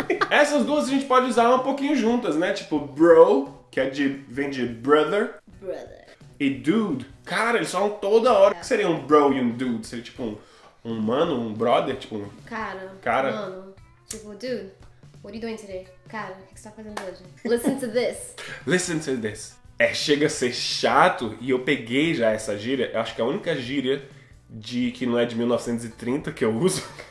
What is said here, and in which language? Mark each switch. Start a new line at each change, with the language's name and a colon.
Portuguese: Essas duas a gente pode usar um pouquinho juntas, né? Tipo, bro, que é de, vem de brother.
English: Brother.
Portuguese: E dude. Cara, eles falam toda hora. O que seria um bro e um dude? Seria tipo um mano, um brother? Tipo um... Cara. Cara. Mano.
English: Tipo, dude, what are you doing today?
Portuguese: Cara, o que você tá fazendo hoje?
English: Listen to this. Listen to this.
Portuguese: É, chega a ser chato e eu peguei já essa gíria. Eu acho que é a única gíria de que não é de 1930 que eu uso.